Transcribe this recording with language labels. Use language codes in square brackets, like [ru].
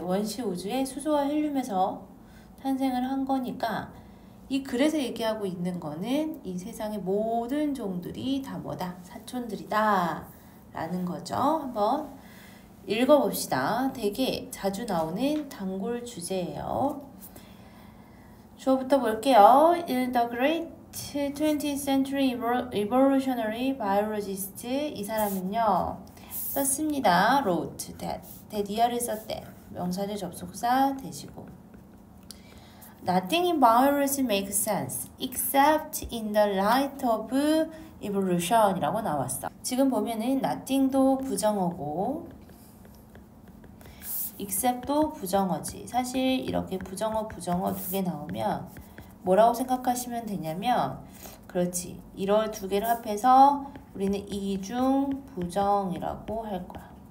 [ko] 원시 우주의 수소와 헬륨에서 탄생을 한 거니까 이 글에서 얘기하고 있는 거는 이 세상의 모든 종들이 다 뭐다? 사촌들이다. 라는 거죠. 한번 읽어봅시다. 되게 자주 나오는 단골 주제예요. 주어부터 볼게요. [en] In the great 20th century evolutionary biologist, [ko] 이 사람은요, 썼습니다. wrote, that er을 썼대. 명사제 접속사 되시고. [en] Nothing in biology makes sense except in the light of evolution [ko] 이라고 나왔어. 지금 보면은 nothing도 부정어고 except도 부정어지. 사실 이렇게 부정어 부정어 두개 나오면 뭐라고 생각하시면 되냐면, 그렇지, 이런 두 개를 합해서 우리는 이중 부정이라고 할 거야.